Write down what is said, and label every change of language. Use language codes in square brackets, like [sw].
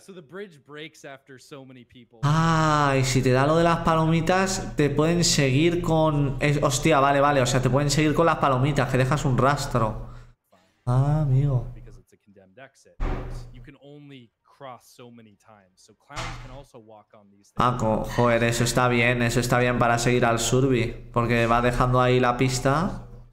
[en] So the bridge breaks after so many people. [es] Ah, y si te da lo de las palomitas, te pueden seguir con. Hostia, vale, vale. O sea, te pueden seguir con las palomitas, que dejas un rastro. Ah, amigo. [en] Because it's a condemned exit. You can only cross so many times. So clowns can also walk on these things. [es] Ah, joder, eso está bien. Eso está bien para seguir al Surby. Porque va dejando ahí la pista.